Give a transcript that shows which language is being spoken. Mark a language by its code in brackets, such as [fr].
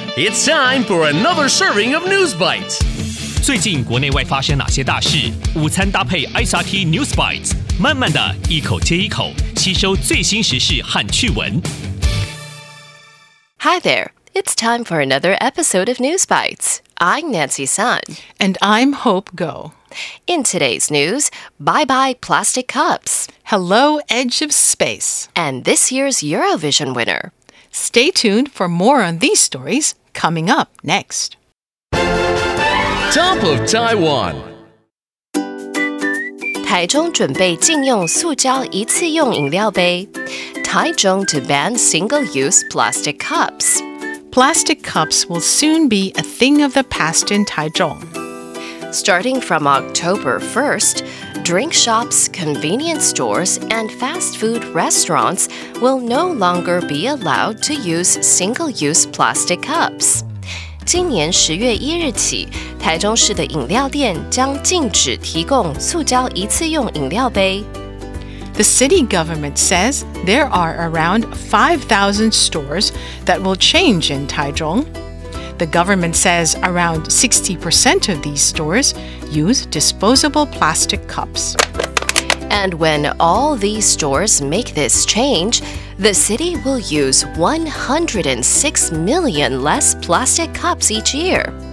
[en] It's time for another serving of News Bites. [zh] 最近国内外发生哪些大事？午餐搭配 SRT News Bites， 慢慢的一口接一口，吸收最新时事和趣闻。 [en] Hi there, it's time for another episode of News Bites. I'm Nancy Sun. And I'm Hope Go. In today's news, bye-bye plastic cups. Hello, Edge of Space. And this year's Eurovision winner. Stay tuned for more on these stories coming up next. Top of Taiwan. [zh] 台中准备禁用塑胶一次用饮料杯。 [en] Taichung to ban single-use plastic cups. Plastic cups will soon be a thing of the past in Taichung. Starting from October 1st,Drink shops, convenience stores, and fast food restaurants will no longer be allowed to use single-use plastic cups. [zh] 今年10月1日起，台中市的饮料店将禁止提供塑胶一次用饮料杯。 [en] The city government says there are around 5,000 stores that will change in Taichung. The government says around 60% of these stores use disposable plastic cups. And when all these stores make this change, the city will use 106 million less plastic cups each year.